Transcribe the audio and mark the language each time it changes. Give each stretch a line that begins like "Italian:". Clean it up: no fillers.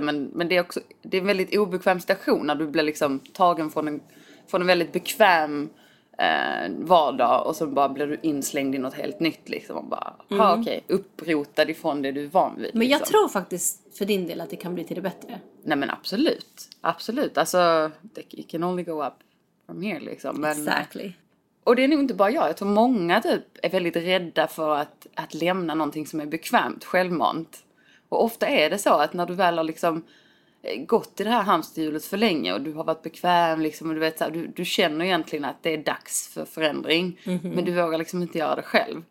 Swedish: Men det är också, det är en väldigt obekväm situation när du blir liksom tagen från en väldigt bekväm vardag och så bara blir du inslängd i något helt nytt liksom och bara okej, upprotad ifrån det du är van vid. Men jag liksom. Tror faktiskt för din del att det kan bli till det bättre. Nej men absolut. Absolut.
English: Alltså it can only go up from here liksom.
Swedish: Men,
English: exactly.
Swedish: Och det är nog inte bara jag tror många typ är väldigt rädda för att lämna någonting som är bekvämt självmant. Och ofta är det så att när du väl har liksom gått i det här hamsterhjulet för länge och du har varit bekväm liksom, och du vet så här, du känner egentligen att det är dags för förändring, men du vågar liksom inte göra det själv.